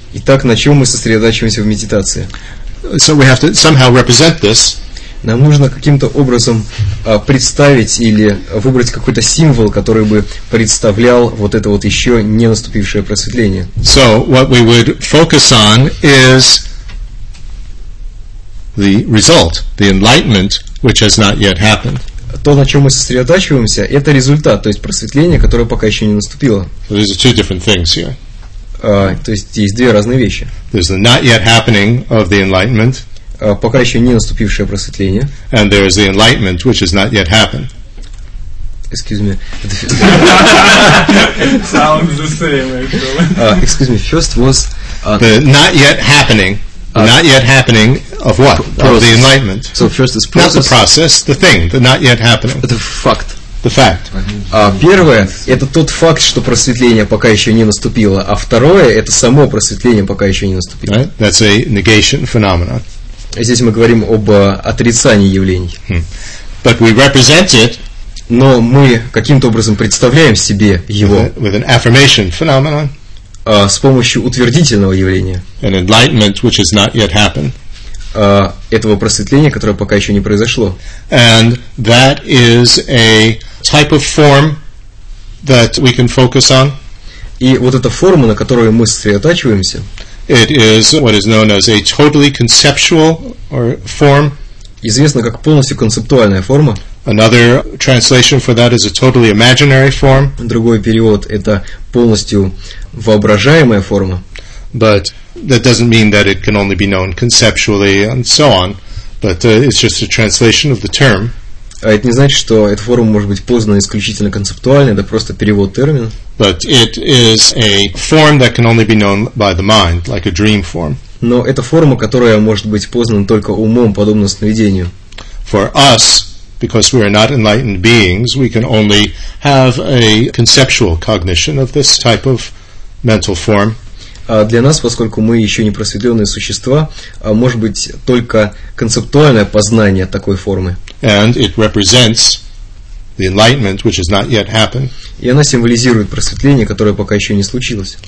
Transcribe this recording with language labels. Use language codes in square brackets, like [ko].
[ru] Итак, на чем мы сосредотачиваемся в медитации? [en] So we have to somehow represent this. [ru] Нам нужно каким-то образом представить или выбрать какой-то символ, который бы представлял вот это вот еще не наступившее просветление. [en] So what we would focus on is the result, the enlightenment, which has not yet happened. [ru] То, на чем мы сосредотачиваемся, это результат, то есть просветление, которое пока еще не наступило. [en] So these are two different things here. [ru] То есть есть две разные вещи. [en] There's the not yet happening of the enlightenment. [ru] Пока еще не наступившее просветление. [en] And there is the enlightenment, which has not yet happened. Excuse me. Sounds the same, actually. Excuse me. First was the not yet happening. Not yet happening of what? Of the enlightenment. So first is process. Not the process, the thing, the not yet happening. The fact. The fact. [ru] Первое – это тот факт, что просветление пока еще не наступило, а второе – это само просветление пока еще не наступило. [en] Right? That's a negation phenomenon. [ru] Здесь мы говорим об отрицании явлений. [en] But we represent it. [ru] Но мы каким-то образом представляем себе его. [en] With an affirmation phenomenon. [ru] С помощью утвердительного явления. [en] An enlightenment which has not yet happened. [ru] Этого просветления, которое пока еще не произошло. [en] And that is a type of form that we can focus on. [ru] И вот эта форма, на которую мы сосредотачиваемся. [en] It is what is known as a totally conceptual or form. [ru] Известно как полностью концептуальная форма. [en] Another translation for that is a totally imaginary form. [ru] Другой перевод – это полностью воображаемая форма. [en] But that doesn't mean that it can only be known conceptually and so on. But it's just a translation of the term. [ru] Это не значит, что эта форма может быть познана исключительно концептуально, это просто перевод термина. [en] But it is a form that can only be known by the mind, like a dream form. [ru] Но это форма, которая может быть познана только умом, подобно сновидению. [en] For us, because we are not enlightened beings, we can only have a conceptual cognition of this type of mental form. [ru] Для нас, поскольку мы еще не просветленные существа, может быть только концептуальное познание такой формы. [en] And it represents the enlightenment, which has not yet happened. [ru] И она символизирует просветление, которое пока еще не случилось.